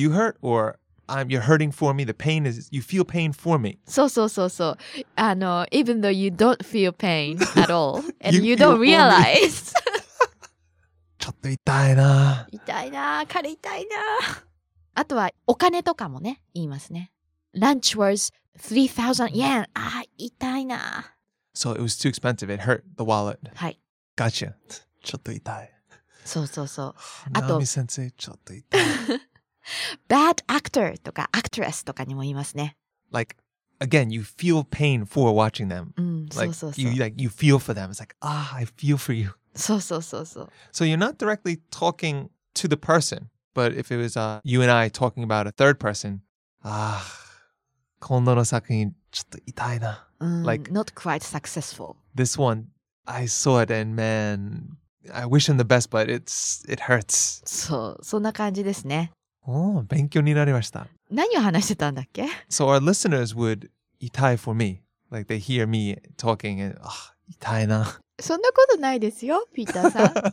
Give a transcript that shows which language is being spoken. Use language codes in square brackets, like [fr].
[en] You hurt or you're hurting for me? The pain is, you feel pain for me. [ja] そうそうそうそう. [en] Even though you don't feel pain at all and you don't realize. [ja] ちょっと痛いな. 痛いな.彼痛いな. あとはお金とかもね, 言いますね. [en] Lunch was 3,000 yen. Ah, [ja] 痛いな. [en] So it was too expensive. It hurt the wallet. Hi. Gotcha. [ja] ちょっと痛い. そうそうそう. Naomi-sensei, ちょっと痛い. [en] Bad actor [ja] とか actress とかにも言いますね. [en] Like, again, you feel pain for watching them. Like, [ja] そうそうそう. [en] You feel for them. It's like, ah, I feel for you. [ja] そうそうそうそう. [en] So you're not directly talking to the person, but if it was you and I talking about a third person, ah, [ja] 今度の作品ちょっと痛いな. [en] Like, not quite successful. This one, I saw it and man, I wish him the best, but it hurts. [ja] そう、そんな感じですね. Oh, 勉強になりました. 何を話してたんだっけ? [en] So our listeners would 痛い for me. Like they hear me talking and, ah, [ja] 痛いな. そんなことないですよ, ピーターさん.